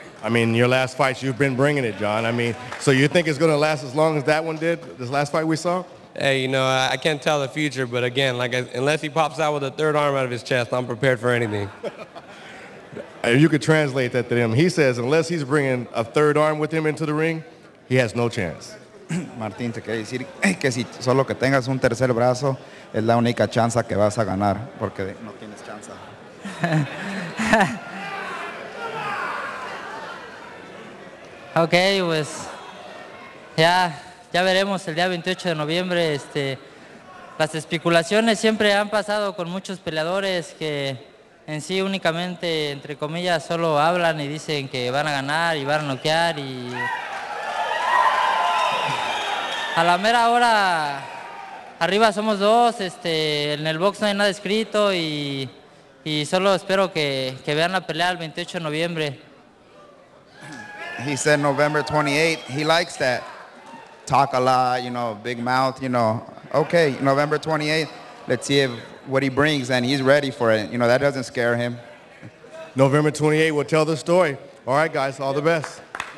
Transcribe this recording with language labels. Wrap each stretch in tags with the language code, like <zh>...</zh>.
<en>I mean, your last fights, you've been bringing it, John. I mean, so you think it's going to last as long as that one did, this last fight we saw? Hey, you know, I can't tell the future. But again, like, unless he pops out with a third arm out of his chest, I'm prepared for anything. You could translate that to him. He says, unless he's bringing a third arm with him into the ring, he has no chance.</en> <es>Martín, te quiere decir que si solo que tengas un tercer brazo, es la única chance que vas a ganar, porque no tienes chance. Okay, pues, ya veremos el día 28 de noviembre. Las especulaciones siempre han pasado con muchos peleadores que en sí únicamente, entre comillas, solo hablan y dicen que van a ganar y van a noquear, y a la mera hora arriba somos dos, en el box no hay nada escrito, y solo espero que vean la pelea el 28 de noviembre.</es> <en>He said November 28th, he likes that, talk a lot, you know, big mouth, you know. Okay, November 28th, let's see if what he brings, and he's ready for it. You know, that doesn't scare him. November 28th will tell the story. All right, guys, all the best.</en>